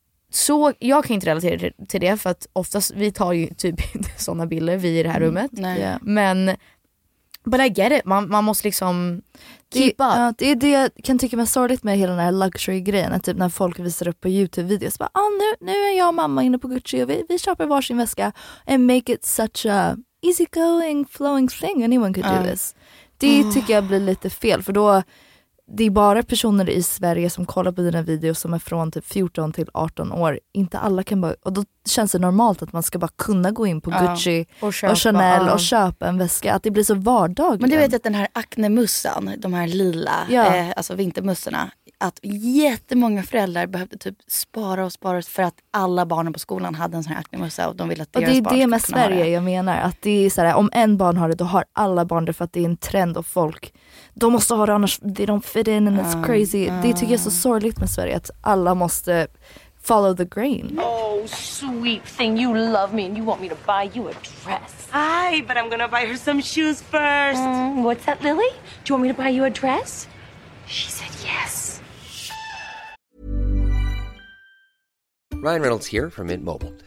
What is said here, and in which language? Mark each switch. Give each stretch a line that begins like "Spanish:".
Swedish: Så jag kan inte relatera till det, för att oftast vi tar ju typ inte sådana bilder vi i det här rummet. Nej.
English: Men but I get it.
Swedish: Man måste liksom
English: keep up.
Swedish: Det är det jag kan tycka mig sorgligt med hela den här luxury-grejen. Att typ när folk visar upp på YouTube-videos. Bara, nu är jag och mamma inne på Gucci och vi köper varsin väska.
English: And make it such a easygoing, flowing thing. Anyone could do this.
Swedish: Det tycker jag blir lite fel. För då, det är bara personer i Sverige som kollar på dina videos som är från typ 14 till 18 år. Inte alla kan bara, och då känns det normalt att man ska bara kunna gå in på Gucci och Chanel och köpa en väska. Att det blir så vardagligt. Men du vet att den här Acne-mussan, de här lila, alltså vintermussorna, att jättemånga föräldrar behövde typ spara och spara för att alla barnen på skolan hade en sån här Acne-mussa och de ville att deras barn ska kunna ha det. Och det är det med Sverige jag menar. Att det är såhär, om en barn har det, då har alla barn det, för att det är en trend och folk, de måste ha det, annars
English: they don't fit in and it's crazy.
Swedish: Det tycker jag är så sorgligt med Sverige, att alla måste
English: follow the grain. Oh, sweet thing, you love me and you want me to buy you a dress. Hi, but I'm gonna buy her some shoes first. What's that, Lily? Do you want me to buy you a dress? She said yes. Ryan Reynolds here from Mint Mobile.